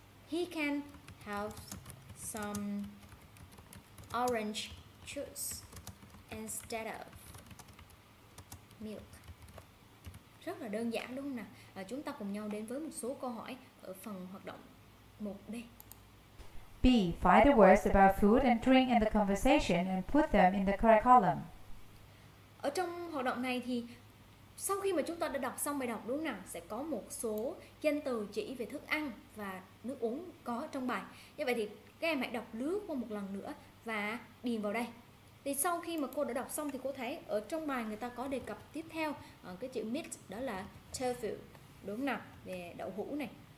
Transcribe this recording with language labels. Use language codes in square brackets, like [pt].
[en] He can have some orange juice instead of milk. [vi] Rất là đơn giản, đúng không nào? Chúng ta cùng nhau đến với một số câu hỏi ở phần hoạt động 1B. B. [en] Find the words about food and drink in the conversation and put them in the correct column. [vi] Ở trong hoạt động này thì sau khi mà chúng ta đã đọc xong bài đọc, đúng không nào, sẽ có một số danh từ chỉ về thức ăn và nước uống có trong bài. Như vậy thì các em hãy đọc lướt qua một lần nữa và điền vào đây. Thì sau khi mà cô đã đọc xong thì cô thấy ở trong bài người ta có đề cập tiếp theo cái chữ meat, đó là tofu, đúng không nào, về đậu hũ này.